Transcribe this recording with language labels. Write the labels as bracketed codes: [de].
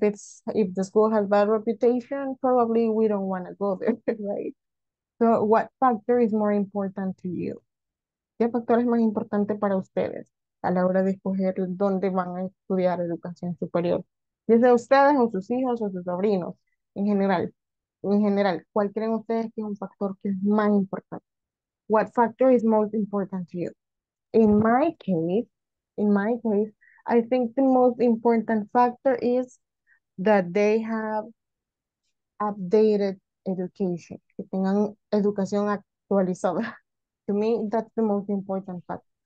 [en] If the school has bad reputation, probably we don't want to go there, right? So what factor is more important to you? [es] ¿Qué factor es más importante para ustedes a la hora de escoger dónde van a estudiar educación superior? Desde ustedes o sus hijos o sus sobrinos, en general, ¿cuál creen ustedes que es un factor que es más importante? [en] What factor is most important to you? In my case, I think the most important factor is that they have updated education. [es] Que tengan educación actualizada. [en] To me, that's the most important factor.